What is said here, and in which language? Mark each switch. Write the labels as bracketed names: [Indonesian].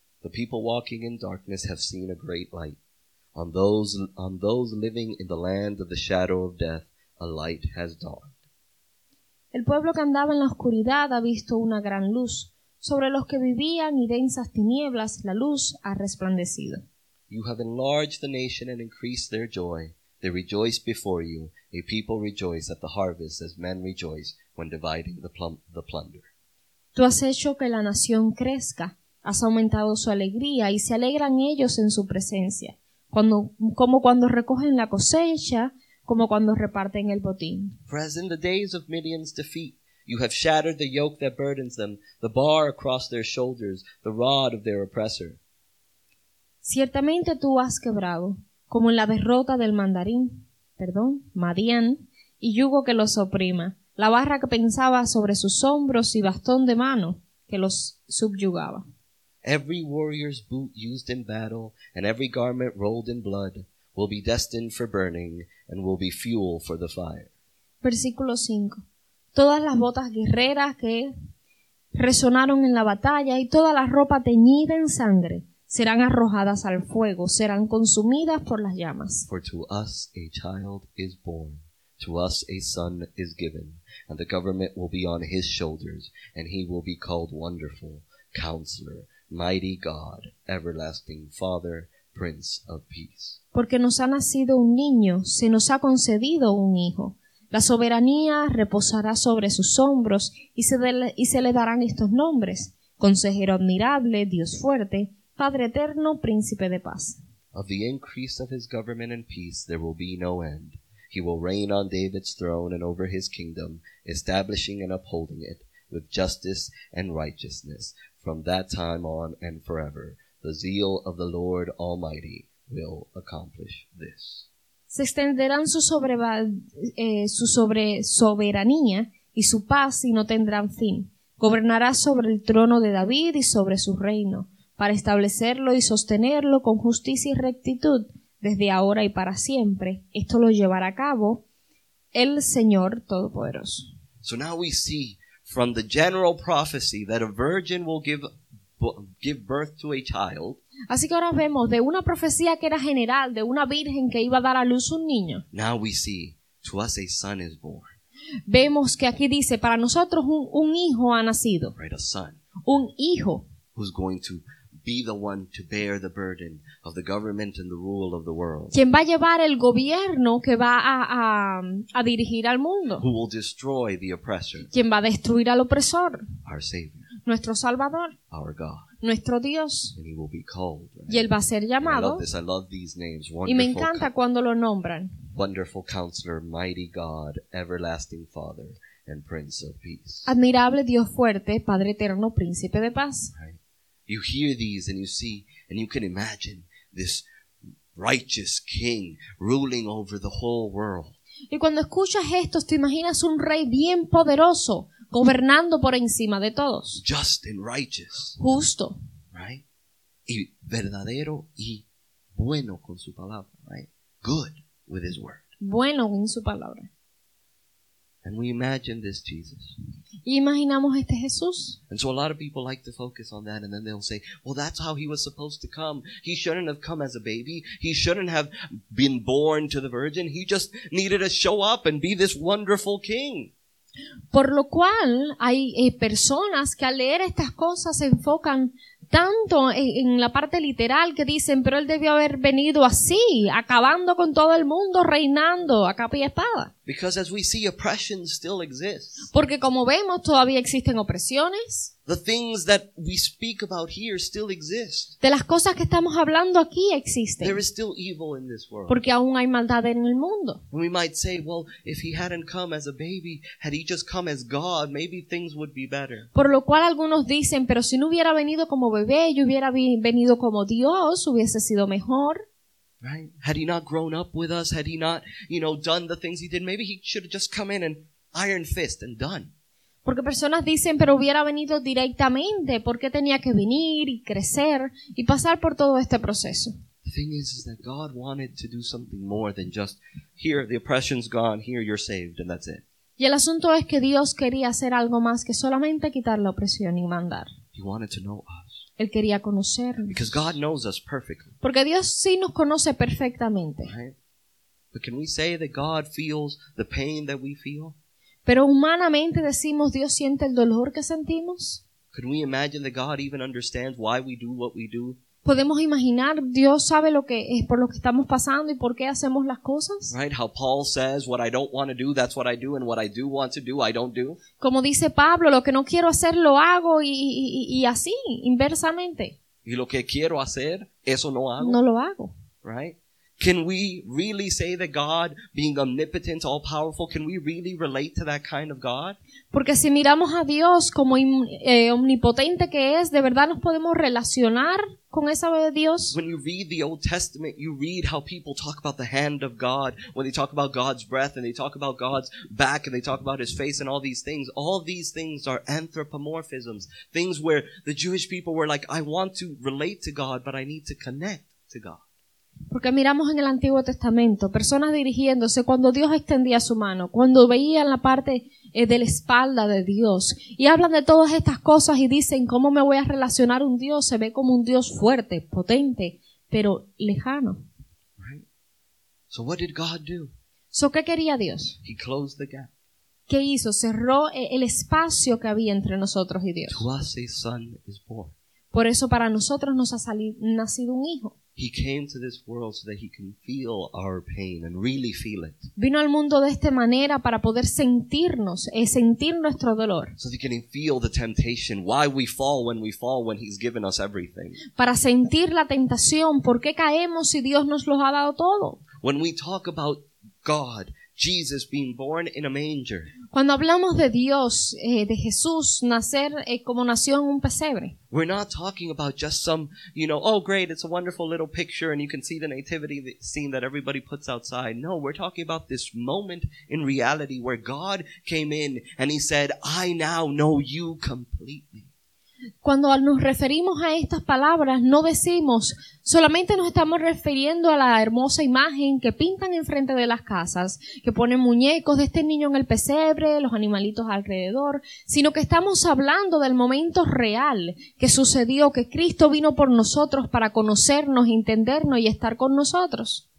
[English] The people walking in darkness have seen a great light. On those living in the land of the shadow of death, a light has dawned. [Spanish] El pueblo que andaba en la oscuridad ha visto una gran luz. Sobre los que vivían y densas tinieblas, la luz ha resplandecido. [English] You have enlarged the nation and increased their joy. They rejoice before you. A people rejoice at the harvest as men rejoice when dividing the plunder. [Spanish] Tú has hecho que la nación crezca. Has aumentado su alegría y se alegran ellos en su presencia. Como cuando recogen la cosecha, como cuando reparten el botín. [English] For as in the days of Midian's defeat, you have shattered the yoke that burdens them, the bar across their shoulders, the rod of their oppressor. [Spanish] Ciertamente tú has quebrado, como en la derrota del Madián, y yugo que los oprima, la barra que pensaba sobre sus hombros y bastón de mano que los subyugaba. [English] Every warrior's boot used in battle and every garment rolled in blood will be destined for burning and will be fuel for the fire. [Spanish] Versículo 5. Todas las botas guerreras que resonaron en la batalla y toda la ropa teñida en sangre serán arrojadas al fuego, serán consumidas por las llamas. [English] For to us a child is born, to us a son is given, and the government will be on his shoulders, and he will be called Wonderful, Counselor, Mighty God, Everlasting Father, Prince of Peace. [Spanish] Porque nos ha nacido un niño, se nos ha concedido un hijo. La soberanía reposará sobre sus hombros, y se le darán estos nombres: Consejero Admirable, Dios Fuerte, Padre Eterno, Príncipe de Paz. [English] Of the increase of his government and peace there will be no end. He will reign on David's throne and over his kingdom, establishing and upholding it with justice and righteousness from that time on and forever. The zeal of the Lord Almighty will accomplish this. [Spanish] Se extenderán su soberanía y su paz y no tendrán fin. Gobernará sobre el trono de David y sobre su reino, para establecerlo y sostenerlo con justicia y rectitud, desde ahora y para siempre. Esto lo llevará a cabo el Señor Todopoderoso. [English] So now we see from the general prophecy that a virgin will give birth to a child. [Spanish] Así que ahora vemos de una profecía que era general, de una virgen que iba a dar a luz un niño. [English] Now we see, to us a son is born. [Spanish] Vemos que aquí dice, para nosotros un hijo ha nacido. [English] Right, a son. [Spanish] Un hijo. [English] Who's going to be the one to bear the burden of the government and the rule of the world. [Spanish] ¿Quién va a llevar el gobierno que va a dirigir al mundo? [English] Who will destroy the oppressor? [Spanish] ¿Quién va a destruir al opresor? [English] Our Savior. [Spanish] Nuestro Salvador. [English] Our God. [Spanish] Nuestro Dios. [English] And he will be called, right? [Spanish] Y él va a ser llamado. [English] I love this. I love these names. [Spanish] Y me encanta cuando lo nombran. [English] Wonderful Counselor, Mighty God, Everlasting Father, and Prince of Peace. [Spanish] Admirable Dios Fuerte, Padre Eterno, Príncipe de Paz. [English] Right. You hear these and you see and you can imagine this righteous king ruling over the whole world. [Spanish] Y cuando escuchas esto, te imaginas un rey bien poderoso gobernando por encima de todos. [English] Just and righteous. [Spanish] Justo. [English] Right? [Spanish] Y verdadero y bueno con su palabra, [English] right? Good with his word. [Spanish] Bueno en su palabra. [English] And we imagine this Jesus. [Spanish] Y imaginamos este Jesús. [English] And so a lot of people like to focus on that, and then they'll say, well, that's how he was supposed to come. He shouldn't have come as a baby. He shouldn't have been born to the virgin. He just needed to show up and be this wonderful king. [Spanish] Por lo cual, hay personas que al leer estas cosas se enfocan tanto en la parte literal que dicen, pero él debió haber venido así, acabando con todo el mundo, reinando a capa y espada. [English] Because as we see, oppression still exists. [Spanish] Porque como vemos, todavía existen opresiones. [English] The things that we speak about here still exist. [Spanish] De las cosas que estamos hablando aquí existen. [English] There is still evil in this world. [Spanish] Porque aún hay maldad en el mundo. [English] And we might say, well, if he hadn't come as a baby, had he just come as God, maybe things would be better. [Spanish] Por lo cual algunos dicen, pero si no hubiera venido como bebé, y hubiera venido como Dios, hubiese sido mejor. [English] Right? Had he not grown up with us, had he not, you know, done the things he did, maybe he should have just come in and iron fist and done. [Spanish] Porque personas dicen, pero hubiera venido directamente, ¿por qué tenía que venir y crecer y pasar por todo este proceso? [English] The thing is that God wanted to do something more than just, here, the oppression's gone, here, you're saved, and that's it. [Spanish] Y el asunto es que Dios quería hacer algo más que solamente quitar la opresión y mandar. [English] He wanted to know us. [Spanish] Él quería conocernos. [English] Because God knows us perfectly. [Spanish] Porque Dios sí nos conoce perfectamente. [English] Right? But can we say that God feels the pain that we feel? [Spanish] Pero humanamente decimos, ¿Dios siente el dolor que sentimos? [English] Can we imagine that God even understands why we do what we do? [Spanish] ¿Podemos imaginar, Dios sabe lo que es por lo que estamos pasando y por qué hacemos las cosas? [English] Right, how Paul says, what I don't want to do, that's what I do, and what I do want to do, I don't do. [Spanish] Como dice Pablo, lo que no quiero hacer, lo hago, y así, inversamente. Y lo que quiero hacer, eso no hago. No lo hago. [English] Right? Can we really say that God, being omnipotent, all-powerful, can we really relate to that kind of God? [Spanish] Porque si miramos a Dios como omnipotente que es, ¿de verdad nos podemos relacionar con esa Dios? [English] When you read the Old Testament, you read how people talk about the hand of God, when they talk about God's breath, and they talk about God's back, and they talk about his face, and all these things are anthropomorphisms, things where the Jewish people were like, I want to relate to God, but I need to connect to God. [Spanish] Porque miramos en el Antiguo Testamento personas dirigiéndose cuando Dios extendía su mano, cuando veían la parte de la espalda de Dios y hablan de todas estas cosas y dicen, ¿cómo me voy a relacionar un Dios? Se ve como un Dios fuerte, potente, pero lejano. [English] Right. So what did God do? [Spanish] So, ¿qué quería Dios? [English] He closed the gap. [Spanish] ¿Qué hizo? Cerró el espacio que había entre nosotros y Dios. [English] To us a son is born. [Spanish] Por eso para nosotros nos ha nacido un hijo. [English] He came to this world so that he can feel our pain and really feel it. [Spanish] Vino al mundo de esta manera para poder sentirnos, sentir nuestro dolor. [English] So that he can feel the temptation, why we fall when we fall, when he's given us everything. [Spanish] Para sentir la tentación, ¿por qué caemos si Dios nos lo ha dado todo? [English] When we talk about God, Jesus being born in a manger. [Spanish] Cuando hablamos de Dios, de Jesús nacer como nació en un pesebre. [English] We're not talking about just some, you know, oh great, it's a wonderful little picture and you can see the nativity scene that everybody puts outside. No, we're talking about this moment in reality where God came in and he said, I now know you completely. [Spanish] Cuando nos referimos a estas palabras, no decimos, solamente nos estamos refiriendo a la hermosa imagen que pintan enfrente de las casas, que ponen muñecos de este niño en el pesebre, los animalitos alrededor, sino que estamos hablando del momento real que sucedió, que Cristo vino por nosotros para conocernos, entendernos y estar con nosotros.